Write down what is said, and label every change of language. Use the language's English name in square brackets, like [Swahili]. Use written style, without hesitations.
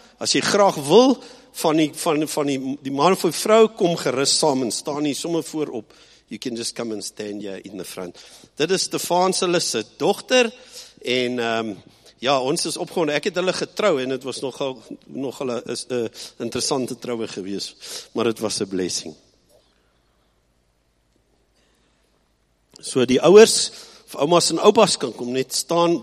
[Afrikaans] As jy graag wil, van die man of die vrou, kom gerus saam en staan hier sommer voorop. [English] You can just come and stand here in the front. [Afrikaans] Dit is Stefanus, hulle se dogter. En ja, ons is opgewonde. Ek het hulle getrou en het was nogal is 'n interessante troue gewees. Maar het was 'n blessing. So die ouers, of oumas en oupas, kan kom net staan.